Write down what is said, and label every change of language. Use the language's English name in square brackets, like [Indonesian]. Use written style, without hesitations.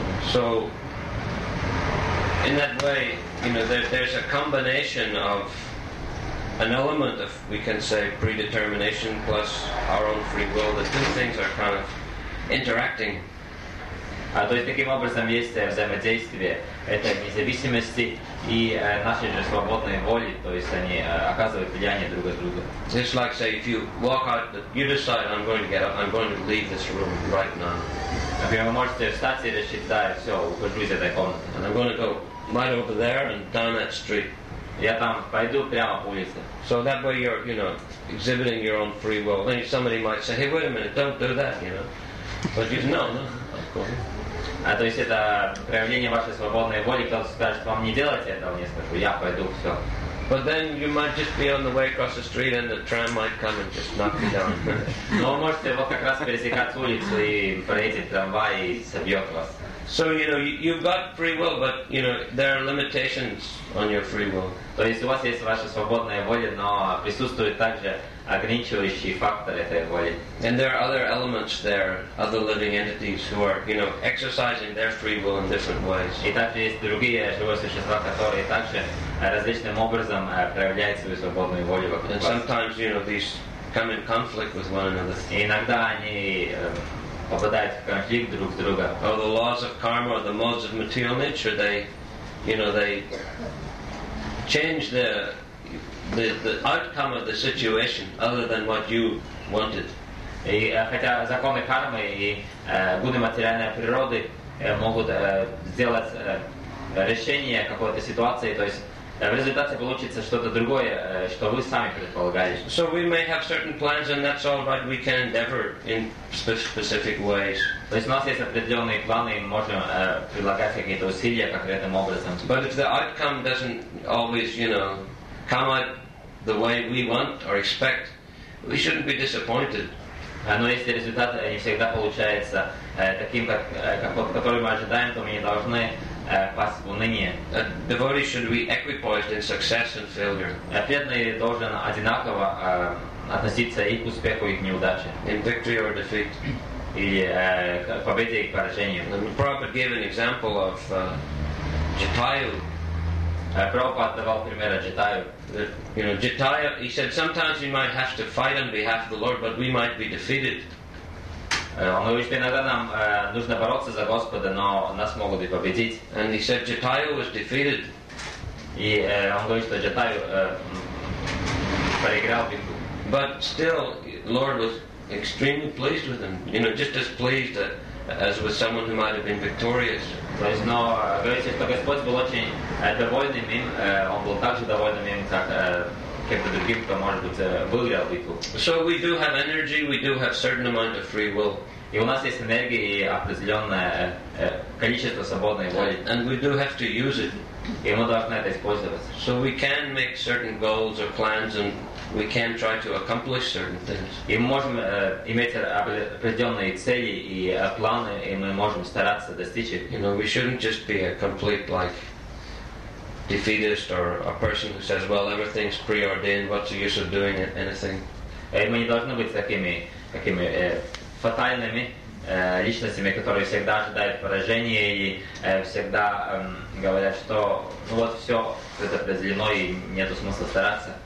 [English] So, in that way, you know, there's a combination of an element of, we can say, predetermination plus our own free will. The two things are kind of interacting. [Russian] То есть таким образом есть взаимодействие этой независимости и нашей же свободной воли, то есть они оказывают влияние друг на друга. [English] Just like say, if you walk out, you decide I'm going to get up, I'm going to leave this room right now. [Russian] Например, вы можете встать и решить, да, все, ухожу из этой комнаты. [English] And I'm going to go right over there and down that street. [Russian] Я там пойду прямо по улице. [English] So that way you're, you know, exhibiting your own free will. Then somebody might say, hey, wait a minute, don't do that, you know. But you know, no. [Russian] А то есть это проявление вашей свободной воли, кто-то скажет вам не делать этого, мне скажу, я пойду, все. [English] But then you might just be on the way across the street and the tram might come and just knock you down. [Russian] Но вы можете вот как раз пересекать улицу и проедет трамвай и собьет вас. [English] So, you know, you've got free will, but, you know, there are limitations on your free will. [Russian] То есть у вас есть ваша свободная воля, но присутствует также ограничивающий фактор этой воли. [English] And there are other elements there, other living entities who are, you know, exercising their free will in different ways. [Russian] И также есть другие живые существа, которые также различным образом проявляют свою свободную волю вокруг вас. [English] And sometimes, you know, these come in conflict with one another. [Russian] И иногда они попадают в конфликт друг с другом. [English] Or the laws of karma, or the modes of material nature, they, you know, they change the outcome of the situation other than what you wanted. [Russian] И хотя законы кармы и годы материальной природы могут сделать решение какой-то ситуации, то есть в результате получится что-то другое, что вы сами предполагали. [English] So we may have certain plans and that's all, but we can endeavor in specific ways. [Russian] То есть у нас есть определенные планы, мы можем прилагать какие-то усилия конкретным образом. [English] But if the outcome doesn't always, you know, come out the way we want or expect, we shouldn't be disappointed. [Russian] Но если результат не всегда получается таким, который мы ожидаем, то мы не должны пасть в уныние. [English] A devotee should be equipoised in success and failure. [Russian] Преданный должен одинаково относиться и к успеху, и к неудаче. [English] In victory or defeat. [Russian] Или к победе и к поражению. [English] Prabhupada gave an example of Jatayu. [Russian] Prabhupada давал пример Jatayu. [English] You know, Jataya, he said, sometimes we might have to fight on behalf of the Lord, but we might be defeated. [Russian] Он говорит, что иногда нам нужно бороться за Господа, но нас могут и победить. [English] And he said, Jatayu was defeated. [Russian] И он говорит, что Jatayu проиграл битву. [English] But still, Lord was extremely pleased with him. You know, just as pleased as with someone who might have been victorious. [Russian] То есть, но говорится, что Господь был очень довольным им, он был так же довольным им, как каким-то другим, кто может быть выиграл битву. [English] So we do have energy, we do have certain amount of free will. [Russian] И у нас есть энергия и определенное количество свободной воли. [English] And we do have to use it. [Russian] И мы должны это использовать. [English] So we can make certain goals or plans and we can try to accomplish certain things. [Russian] И мы можем иметь определенные цели и планы, и мы можем стараться достичь их. [English] You know, we shouldn't just be a complete, like, defeatist or a person who says, well, everything's preordained, what's the use of doing anything? [Russian] И мы не должны быть такими фатальными личностями, которые всегда ожидают поражения и всегда говорят, что ну вот все предопределено и нет смысла стараться.